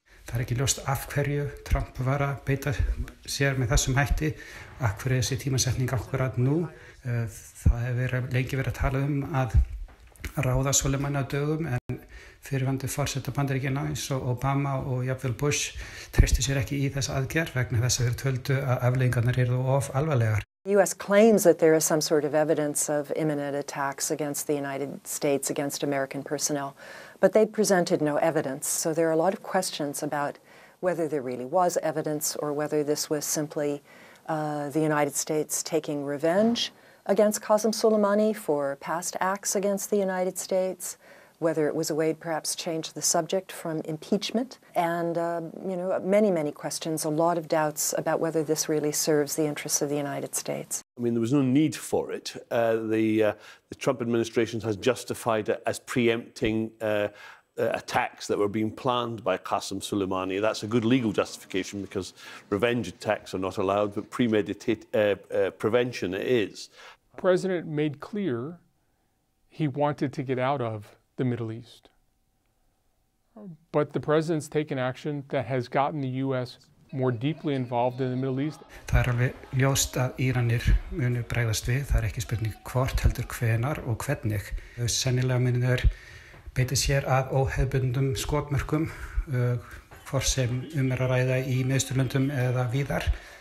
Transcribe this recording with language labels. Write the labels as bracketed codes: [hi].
[is] Það ekki ljóst af hverju Trump var að beita sér með þessum hætti, af hverju þessi tímasetning akkurat nú. Það hefur lengi verið að tala að ráða Soleimani á dögum en fyrirvandi forseta Bandaríkjanna eins og Obama og jafnvel Bush treysti sér ekki í þess aðgerð vegna þess að þeir töldu að afleiðingarnar eru of alvarlegar. [en] US claims that there is some sort of evidence of imminent attacks against the United States against American personnel, but they presented no evidence. So there are a lot of questions about whether there really was evidence or whether this was simply the United States taking revenge against Qasem Soleimani for past acts against the United States. whether it was a way to perhaps change the subject from impeachment. And, you know, many, many questions, a lot of doubts about whether this really serves the interests of the United States. I mean, there was no need for it. The Trump administration has justified it as preempting attacks that were being planned by Qasem Soleimani. That's a good legal justification because revenge attacks are not allowed, but prevention is. The president made clear he wanted to get out of the Middle East. But the president's taken action that has gotten the U.S. more deeply involved in the Middle East. [is] Það alveg ljóst að Íranir munu bregðast við. Það ekki spurning hvort heldur hvenar og hvernig. Sennilega munu þeir beita sér að óhefbundum skotmörkum, hvort sem að ræða í Miðausturlöndum eða víðar.